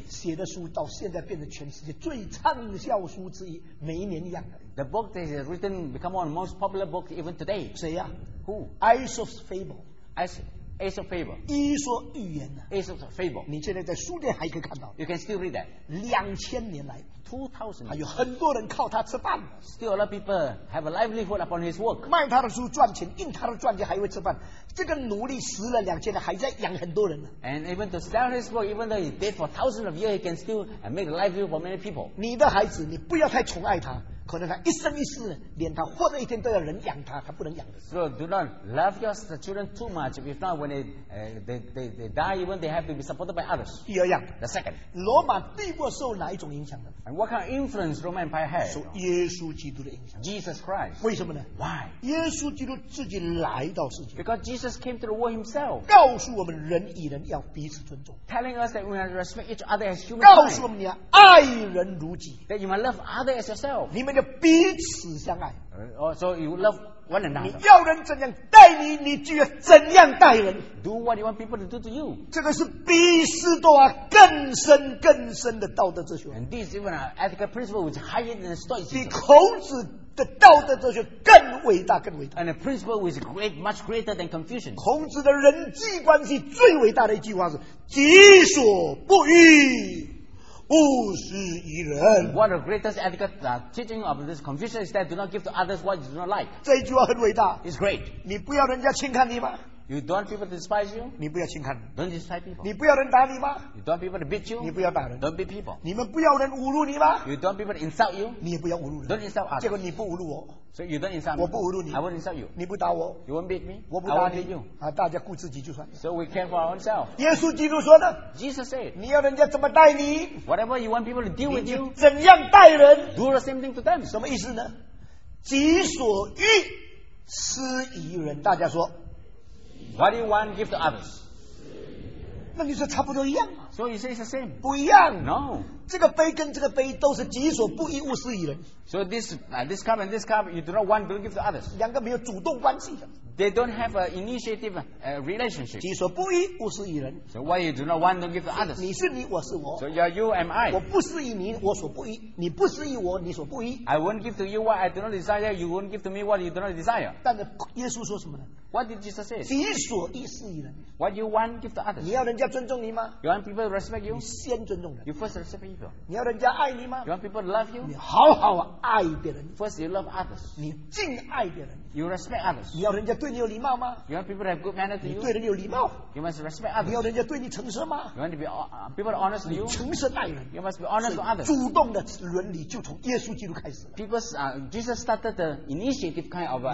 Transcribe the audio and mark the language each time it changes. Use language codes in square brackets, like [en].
[zh] 写的书到现在变成全世界最畅销书之一，每一年一样的。 [en] The book that is written become one of the most popular book even today. [zh] 谁呀、啊、 [en] ？Who? Aesop's Fable. Aesop's Fable. [zh] 伊索寓言呢、啊、 [en] ？Aesop's Fable. [zh] 你现在在书店还可以看到。 [en] You can still read that. [zh] 2000年来 [en] 2000. [zh] 还有很多人靠他吃饭。 [en] Still a lot of people have a livelihood upon his work. [zh] 卖他的书赚钱，印他的传记还会吃饭。这个奴隶死了2000年还在养很多人呢、啊。 [en] And even to sell his book, even though he's dead for thousands of years, he can still make a livelihood for many people. [zh] 你的孩子，你不要太宠爱他。可能他一生一世连他活着一天都要人养他他不能养的 [en] So do not love your children too much if not when they die even they have to be supported by others [zh] 第二样 [en] The second [zh] 罗马帝国受哪一种影响呢 [en] And what kind of influence Roman Empire had [zh] 受耶稣基督的影响 [en] Jesus Christ [zh] 为什么呢 [en] Why [zh] 耶稣基督自己来到世界 [en] Because Jesus came to the world himself [zh] 告诉我们人与人要彼此尊重 [en] Telling us that we have to respect each other as human [zh] 告诉我们你要爱人如己 [en] That you must love others as yourself [zh] 你们就彼此相爱。 [en] So you love one another. [zh] 你要人怎样待你，你就要怎样待人。 [en] Do what you want people to do to you. [zh] 这个是比斯多啊更深更深的道德哲学。 [en] And this is even an ethical principle which is higher than Stoicism. [zh] 比孔子的道德哲学更伟大，更伟大。 [en] And a principle which is great, much greater than Confucius. [zh] 孔子的人际关系最伟大的一句话是：己所不欲。勿施于人。 [en] One of the greatest ethical teaching of this Confucian is that do not give to others what you do not like. [zh] 这一句话很伟大。 [en] It's great. [zh] 你不要人家轻看你吗 [en] ？You don't want people to despise you. [zh] 你不要轻看。 [en] Don't despise people. [zh] 你不要人打你吗 [en] ？You don't want people to beat you. [zh] 你不要打人。 [en] Don't beat people. [zh] 你们不要人侮辱你吗 [en] ？You don't want people to insult you. [zh] 你也不要侮辱人。 [en] Don't insult others. [zh] 结果你不侮辱我。 [en] So you don't insult me. [zh] 我不侮辱你。 [en] I won't insult you. [zh] 你不打我。 [en] You won't beat me. [zh] 我不打你。 [en] I won't beat you. [zh] 啊，大家顾自己就算。 [en] So we care for ourselves. [zh] 耶稣基督说的。 [en] Jesus said. [zh] 你要人家怎么待你 [en] ？Whatever you want people to deal with you. [zh] 怎样待人 [en] ？Do the same thing to them. [zh] 什么意思呢？己所欲，施于人。大家说。 [en] What do you want give to others? [zh] 那你说差不多一样嘛。 [en] So you say it's the same. [zh] 不一样。 [en] No. [zh] 这个杯跟这个杯都是己所不欲，勿施于人。 [en] So this cup and this cup, you do not want to give to others. [zh] 两个没有主动关系的。 [en] They don't have an initiative relationship. [zh] 己所不欲，勿施于人。 [en] So why you do not want to give to others? [zh] 你是你，我是我。 [en] So you are you, am I? [zh] 我不施于你，我所不欲。你不施于我，你所不欲。 [en] I won't give to you what I do not desire. You won't give to me what you do not desire. [zh] 但是耶稣说什么呢？ [en] What did Jesus say? [zh] 己所欲施于人。 [en] What you want, give to others. [zh] 你要人家尊重你吗？ [en] You want people to respect you? [zh] 你先尊重人。 [en] You first respect people. [zh] 你要人家爱你吗？ [en] You want people to love you? [zh] 你好好爱别人。 [en] First you love others. [zh] 你敬爱别人。 [en] You respect others. [zh] 你要人家对你有礼貌吗？ [en] You want people to have good manner to you? [zh] 你对人有礼貌。 [en] You must respect others. [zh] 你要人家对你诚实吗？ [en] You want to be people to honest to you? [zh] 诚实待人。 [en] You must be honest to others. [zh] 主动的伦理就从耶稣基督开始。 [en] Jesus started the initiative kind of ethics.